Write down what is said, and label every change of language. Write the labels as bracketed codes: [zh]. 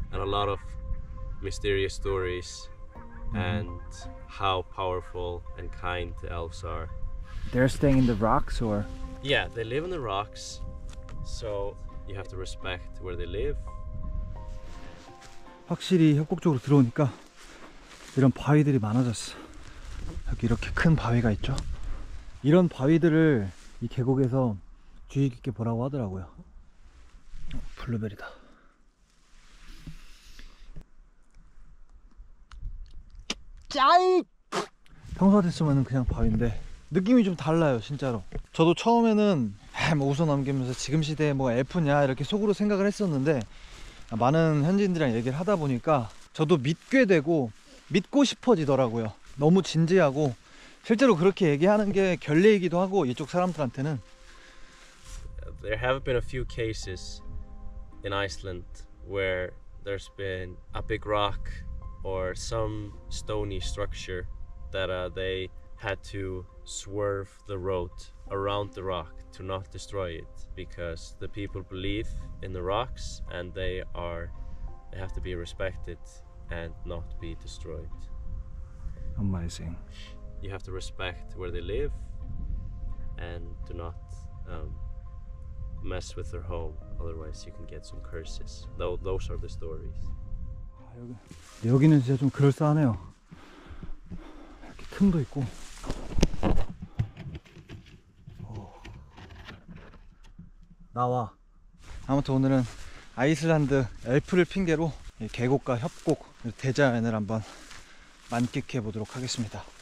[en] And a lot of mysterious stories and how powerful and kind the elves are. They're staying in the rocks or? Yeah, they live in the rocks. So you have to respect where they live. [ko] 확실히 협곡적으로 들어오니까 이런 바위들이 많아졌어. 여기 이렇게 큰 바위가 있죠? 이런 바위들을 이 계곡에서 주의 깊게 보라고 하더라고요. 블루베리다. 평소 같았으면 그냥 바위인데 느낌이 좀 달라요. 진짜로 저도 처음에는 뭐 웃어넘기면서 지금 시대에 뭐 엘프냐 이렇게 속으로 생각을 했었는데 많은 현지인들이랑 얘기를 하다 보니까 저도 믿게 되고 믿고 싶어지더라고요. 너무 진지하고 실제로 그렇게 얘기하는 게 결례이기도 하고 이쪽 사람들한테는. [en] There have been a few cases in Iceland where there's been a big rock or some stony structure that they had to swerve the road around the rock to not destroy it, because the people believe in the rocks and they have to be respected and not be destroyed. Amazing. You have to respect where they live and do not mess with their home, otherwise you can get some curses. Those are the stories. [ko] 여기는 진짜 좀 그럴싸하네요. 이렇게 틈도 있고. 오. 나와. 아무튼 오늘은 아이슬란드 엘프를 핑계로 계곡과 협곡 대자연을 한번 만끽해 보도록 하겠습니다.